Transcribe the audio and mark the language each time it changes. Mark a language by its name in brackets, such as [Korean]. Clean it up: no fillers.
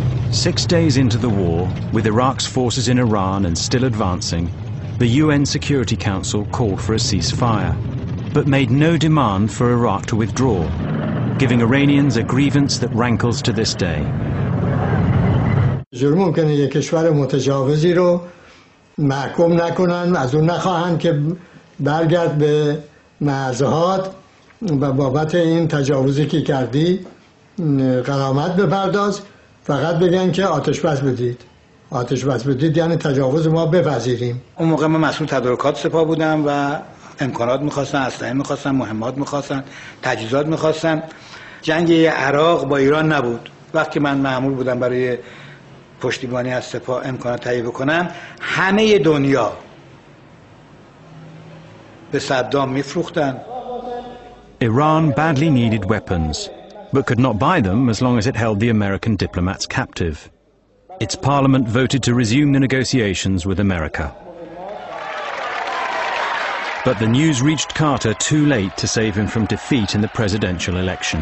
[English] 6 days into the war, with Iraq's forces in Iran and still advancing, the UN Security Council called for a ceasefire, but made no demand for Iraq to withdraw, giving Iranians a grievance that rankles to this day. [Persian] جور ممکنه یک کشور متجاوزی رو محکوم نکنن، از اون نخواهن که برگرد به معزهات و بابت این تجاوزی که کردی غرامت بپرداز، فقط بگن که آتش بس بدید. آتش بس بدید یعنی تجاوز ما بپذیریم. اون موقع من مسئول تدارکات سپاه بودم و امکانات میخواستن، اسلحه میخواستن، مهمات میخواستن، تجهیزات میخواستن. جنگ عراق با ایران نبود. وقتی من مأمور بودم برای پشتیبانی از سپاه امکانات تهیه بکنم، همه دنیا به صدام میفروختن. [English] Iran badly needed weapons, but could not buy them as long as it held the American diplomats captive. Its parliament voted to resume the negotiations with America. But the news reached Carter too late to save him from defeat in the presidential election.